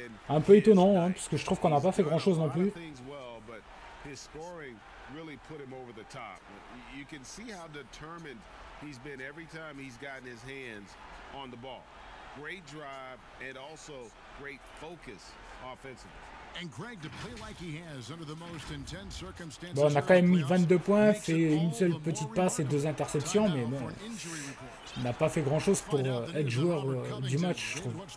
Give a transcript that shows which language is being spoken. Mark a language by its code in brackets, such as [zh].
[fr] Un peu étonnant, hein, parce que je trouve qu'on n'a pas fait grand-chose non plus. [en] His scoring really put him over the top. You can see how determined he's been every time he's gotten his hands on the ball. Great drive and also great focus offensively. And Greg, to play like he has under the most intense circumstances. [fr] Bon, on a quand même mis 22 points, fait une seule petite passe et deux interceptions, mais bon, on n'a pas fait grand-chose pour être joueur du match, je trouve.